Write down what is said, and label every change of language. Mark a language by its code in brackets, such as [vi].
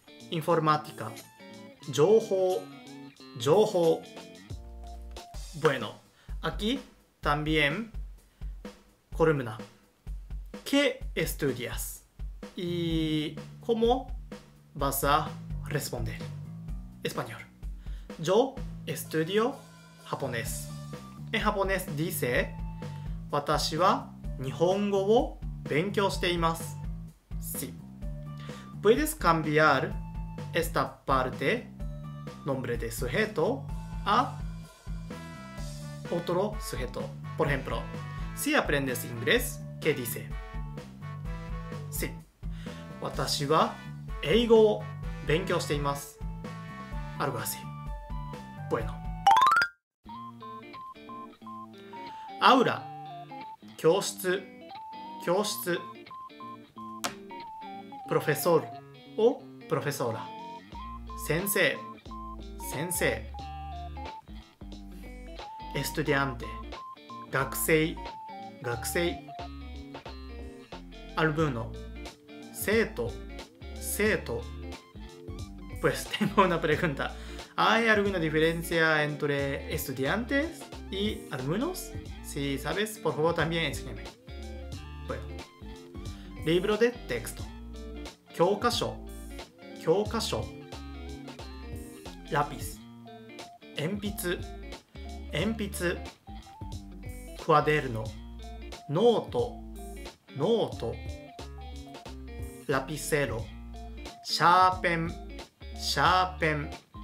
[ja] インフォルマティカ、情報、情報。 [es] Bueno, aquí también columna. ¿Qué estudias? ¿Y cómo vas a responder? Español. Yo estudio japonés. En japonés dice, [ja] 私は日本語を勉強しています。 [es] Sí. ¿Puedes cambiar esta parte, nombre de sujeto, a... otro sujeto. Por ejemplo, si aprendes inglés, ¿qué dice? Sí. [ja] 私は英語を勉強しています。 [es] Algo así. Bueno. [ja] Aula. 教室。教室。 [es] Profesor. O profesora. [ja] 先生。先生。 [es] Estudiante [ja] 学生学生 [es] Alumno [ja] 生徒生徒 [es] Pues tengo una pregunta ¿Hay alguna diferencia entre estudiantes y alumnos? Si sabes, por favor también enséñame Bueno Libro de texto [ja] 教科書教科書 [es] Lápiz [ja] 鉛筆鉛筆、クアデルノ、ノート、ノート、ラピセロ、シャーペン、シャーペン。